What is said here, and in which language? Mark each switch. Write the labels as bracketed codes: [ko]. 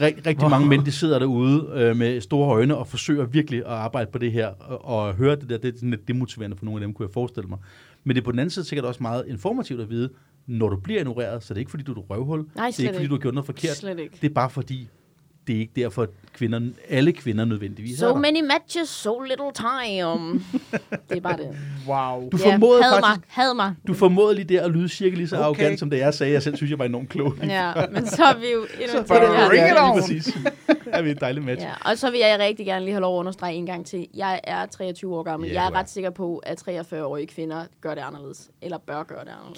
[da] Rigtig mange mænd, de sidder derude med store øjne og forsøger virkelig at arbejde på det her. Og høre det der, det er lidt demotiverende for nogle af dem, kunne jeg forestille mig. Men det er på den anden side sikkert også meget informativt at vide, når du bliver ignoreret, så er det ikke, fordi du er et røvhul. Nej, slet det er ikke, fordi du har gjort noget forkert. Slet ikke. Det er bare fordi, det er ikke derfor, at alle kvinder nødvendigvis [en] so many matches, so little time. [da] Det er bare det. Wow. Du formåede faktisk... Had mig. Du formåede lige der at lyde cirka lige så arrogant, som det jeg sagde. Jeg selv synes, jeg var enormt klog. Ja, men så er vi jo... Så er det [en] ring it on. [da] Præcis. Er vi et dejligt match. Ja, og så vil jeg rigtig gerne lige have lov at understrege en gang til. Jeg er 23 år gammel. Yeah, jeg er ret sikker på, at 43-årige kvinder gør det anderledes. Eller bør gøre det anderledes.